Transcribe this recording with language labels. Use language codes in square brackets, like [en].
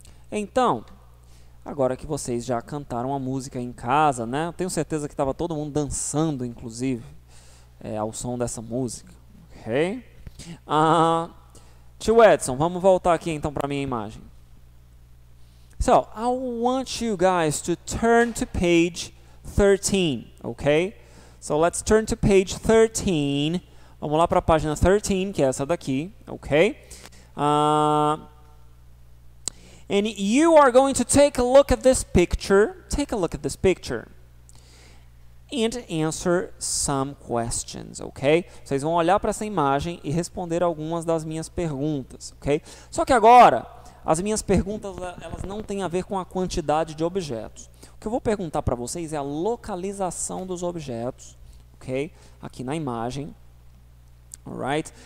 [pt] Então, agora que vocês já cantaram a música em casa, né? Tenho certeza que estava todo mundo dançando, inclusive, ao som dessa música. Ok? Tio Edson, vamos voltar aqui então para a minha imagem. [en] So, I want you guys to turn to page 13, ok? So, let's turn to page 13. [pt] Vamos lá para a página 13, que é essa daqui, ok? [en] And you are going to take a look at this picture. Take a look at this picture. and answer some questions, ok? [pt] Vocês vão olhar para essa imagem e responder algumas das minhas perguntas, ok? Só que agora, as minhas perguntas, elas não têm a ver com a quantidade de objetos. O que eu vou perguntar para vocês é a localização dos objetos, ok? Aqui na imagem. Alright?